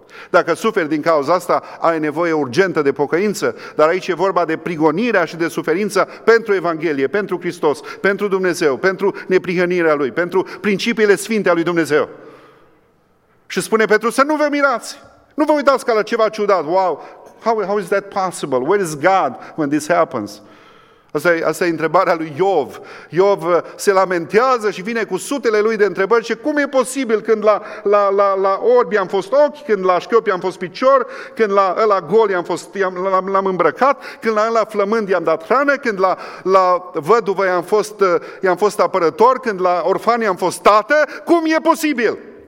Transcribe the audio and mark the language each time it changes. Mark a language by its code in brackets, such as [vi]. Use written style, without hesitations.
[ro] Dacă suferi din cauza asta, ai nevoie urgentă de pocăință, dar aici e vorba de prigonirea și de suferință pentru Evanghelie, pentru Hristos, pentru Dumnezeu, pentru neprihănirea Lui, pentru principiile sfinte ale Lui Dumnezeu. Și spune Petru: să nu vă mirați, nu vă uitați ca la ceva ciudat. [en] Wow, how is that possible? Where is God when this happens? [ro] Asta e întrebarea lui Iov. Iov se lamentează și vine cu sutele lui de întrebări. Și cum e posibil când la orbi am fost ochi, când la șchiopi am fost picior, când la ăla gol l-am îmbrăcat, când la ăla flămând i-am dat hrană, când la văduvă i-am fost apărător, când la orfani am fost tată? Cum e posibil?